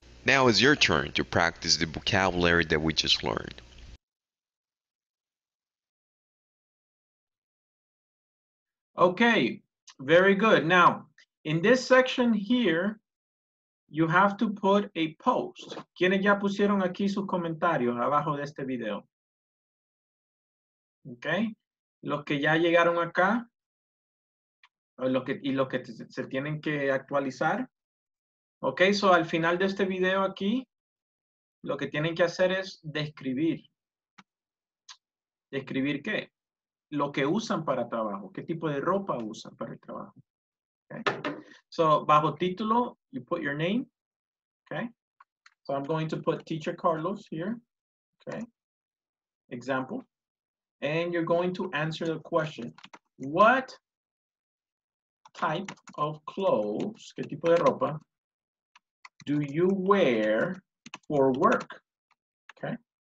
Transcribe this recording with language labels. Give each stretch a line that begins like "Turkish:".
English: Now it's your turn to practice the vocabulary that we just learned. Okay, very good. Now, in this section here, you have to put a post.
Spanish: ¿Quiénes ya pusieron aquí sus comentarios abajo de este video? Okay, los que ya llegaron acá, los que se tienen que actualizar. Okay, so al final de este video aquí, lo que tienen que hacer es describir Escribir qué? Lo que usan para trabajo. ¿Qué tipo de ropa usan para el trabajo?
English: Okay. So,
Spanish: bajo título,
English: you put your name. Okay. So, I'm going to put Teacher Carlos here. Okay. Example. And you're going to answer the question. What type of clothes,
Spanish: qué tipo de ropa,
English: do you wear for work? Okay.